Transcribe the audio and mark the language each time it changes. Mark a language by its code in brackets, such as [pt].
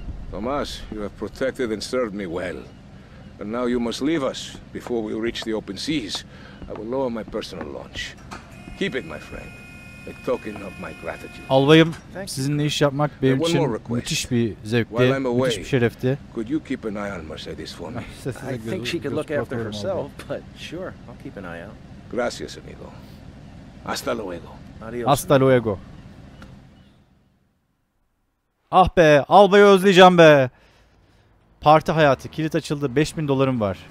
[en] Thomas, you have protected and served me well. And now you must leave us before we reach the open seas. I will lower my personal launch. Keep it, my friend. A token of my gratitude. [tr] Albayım, sizinle iş yapmak benim için müthiş bir zevkti, müthiş bir şerefti. [en] Could you keep an eye on Mercedes for me? I think she could look after herself, but sure, I'll keep an eye out. [es] Gracias, amigo. Hasta luego. Adios. Hasta luego. [tr] Ah be, albayı özleyeceğim be. Parti hayatı, kilit açıldı, 5000 dolarım var.